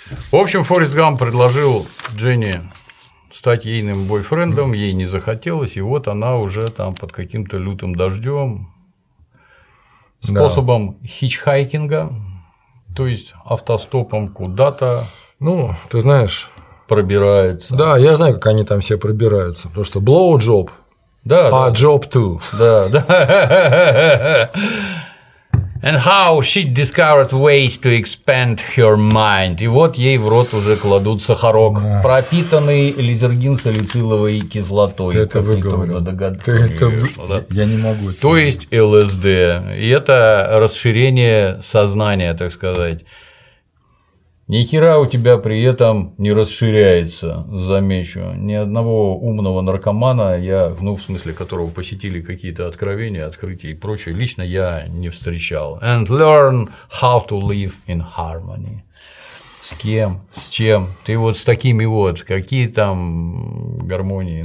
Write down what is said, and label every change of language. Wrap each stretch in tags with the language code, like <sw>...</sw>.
<ru>В общем, Форрест Гамп предложил Дженни стать ейным бойфрендом, ей не захотелось, и вот она уже там под каким-то лютым дождем способом хичхайкинга, то есть автостопом куда-то. Ну, ты знаешь, пробирается. Да, я знаю, как они там все пробираются, потому что</ru> <en>blow job,</en> <ru>да,</ru> <en>а job too.</en> <ru>Да, да.</ru> <en>And how she discovered ways to expand her mind.</en> <ru>И вот ей в рот уже кладут сахарок, да, пропитанный лизергин салициловой кислотой. Ты это выговорил. Ты это да? Я не могу. То есть ЛСД. И это расширение сознания, так сказать. Ни хера у тебя при этом не расширяется, замечу. Ни одного умного наркомана я, ну, в смысле, которого посетили какие-то откровения, открытия и прочее, лично я не встречал.</ru> <en>And learn how to live in harmony.</en> <ru>С кем? С чем? Ты вот с такими вот, какие там гармонии?</ru>